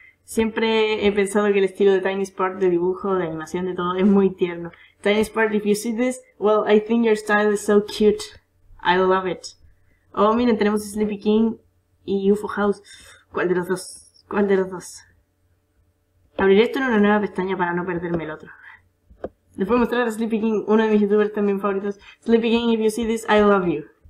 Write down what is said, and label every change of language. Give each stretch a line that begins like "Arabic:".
Spanish: Siempre he pensado que el estilo de Tiny Sport, de dibujo, de animación, de todo, es muy tierno.
English: Tiny Sport, if you see this, well, I think your style is so cute. I love it.
Spanish: Oh, miren, tenemos Sleepy King y UFO House. ¿Cuál de los dos? ¿Cuál de los dos? Abriré esto en una nueva pestaña para no perderme el otro. Les voy a mostrar a Sleepy King, uno de mis youtubers también favoritos.
English: Sleepy King, if you see this, I love you.